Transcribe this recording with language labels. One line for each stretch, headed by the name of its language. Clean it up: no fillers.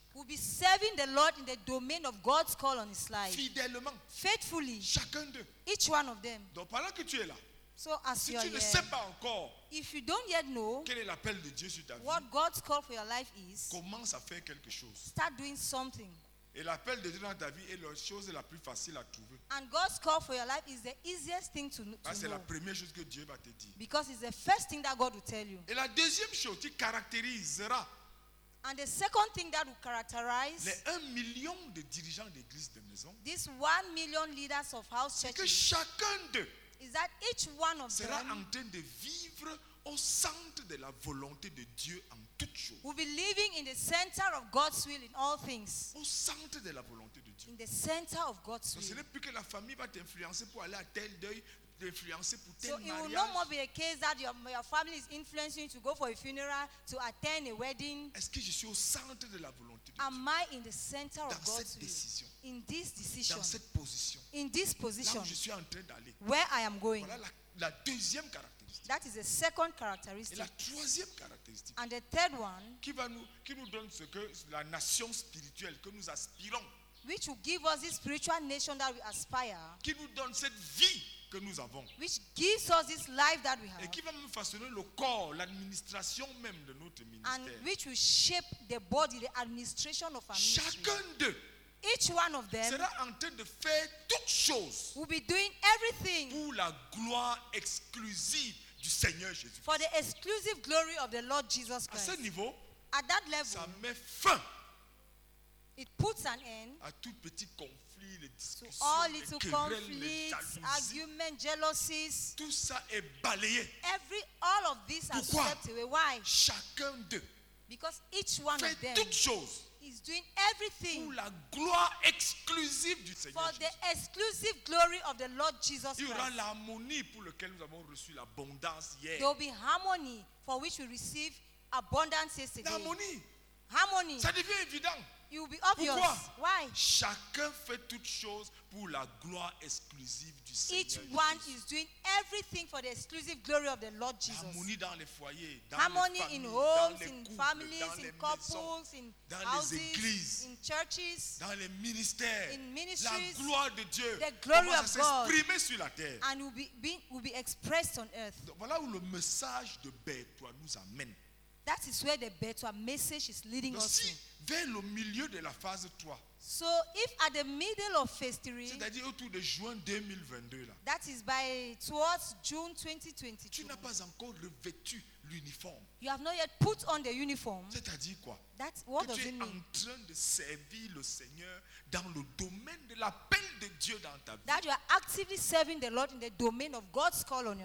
English: will be serving the Lord in the domain of God's call on his life,
French: fidèlement,
English: faithfully,
French: chacun d'eux,
English: each one of them.
French: Donc pendant que tu es là,
English: so as
French: si
English: you are
French: tu ne
English: here,
French: sais pas encore,
English: if you don't yet know,
French: quel est l'appel de Dieu sur ta vie,
English: what God's call for your life is,
French: commence à faire quelque chose,
English: start doing something.
French: Et l'appel de Dieu dans ta vie est la chose la plus facile à trouver.
English: And God's call for your life is the easiest thing to know.
French: C'est la première chose que Dieu va te dire.
English: Because it's the first thing that God will tell you.
French: Et la deuxième chose qui caractérisera,
English: and the second thing that will characterize,
French: les 1 million de dirigeants d'église de maison,
English: this 1 million leaders of house churches,
French: c'est que chacun d'eux,
English: is that each one of
French: sera
English: them,
French: en train de vivre au centre de la volonté de Dieu en toute chose.
English: We'll be living in the center of God's will in all things.
French: Au centre de la volonté de Dieu.
English: In the center of God's
French: donc,
English: will.
French: Ce n'est plus que la famille va t'influencer pour aller à tel deuil, t'influencer pour tel
English: so
French: mariage.
English: So it will no more be the case that your family is influencing you to go for a funeral, to attend a wedding.
French: Est-ce que je suis au centre de la volonté de
English: am
French: Dieu?
English: Am I in the center
French: dans
English: of God's
French: cette décision,
English: will? In this decision.
French: Dans cette position.
English: In this position.
French: Là où je suis en train d'aller.
English: Where I am going.
French: Voilà la deuxième caractère.
English: That is the second characteristic.
French: Et la troisième caractéristique.
English: And the third one.
French: Qui nous donne ce que la nation spirituelle que nous aspirons.
English: Which will give us this spiritual nation that we aspire.
French: Qui nous donne cette vie que nous avons.
English: Which gives us this life that we have.
French: Et qui va nous façonner le corps, l'administration même de notre ministère.
English: And which will shape the body, the administration of our ministry.
French: Chacun d'eux.
English: Each one of them
French: sera en train de faire toutes choses
English: will be doing everything
French: pour la gloire exclusive du Seigneur Jésus.
English: For the exclusive glory of the Lord Jesus Christ.
French: À ce niveau,
English: at that level,
French: ça met fin.
English: It puts an end
French: à tout petit conflit, les discussions,
English: to all little
French: les
English: conflicts,
French: les
English: arguments, jealousies.
French: Tout ça est balayé.
English: Every all of this has swept away. Why?
French: Chacun d'eux
English: because each one
French: fait
English: of them
French: toutes choses.
English: Is doing everything
French: pour la gloire exclusive du Seigneur
English: for the exclusive glory of the Lord Jesus Christ.
French: Il y aura l'harmonie pour lequel nous avons reçu l'abondance hier.
English: There will be harmony for which we receive abundance yesterday.
French: L'harmonie.
English: Harmony.
French: Ça devient évident.
English: It will be obvious.
French: Pourquoi?
English: Why?
French: Chacun fait toutes choses pour la gloire exclusive du Seigneur.
English: Each one is doing everything for the exclusive glory of the Lord Jesus.
French: Harmonie dans les foyers, dans
English: harmony
French: les familles,
English: in homes,
French: dans les
English: in
French: couples,
English: families,
French: dans
English: in couples, in houses,
French: les églises,
English: in churches,
French: dans les ministères,
English: in ministries.
French: La gloire de Dieu,
English: the glory of God,
French: commence à s'exprimer sur la terre,
English: and will be expressed on earth.
French: Donc, voilà où le message de Bertoua nous amène.
English: That is where the Bertoua message is leading
French: donc,
English: us
French: si,
English: to.
French: Vers le milieu de la phase 3.
English: So if at the middle of phase 3,
French: c'est-à-dire autour de juin 2022 là,
English: that is by towards June 2022,
French: tu n'as pas encore revêtu l'uniforme.
English: You have not yet put on the uniform.
French: C'est-à-dire quoi?
English: That what
French: que
English: does
French: tu
English: it
French: es
English: mean?
French: En train de servir le Seigneur dans le domaine de l'appel de Dieu dans ta vie.
English: That you are actively serving the Lord in the domain of God's call on your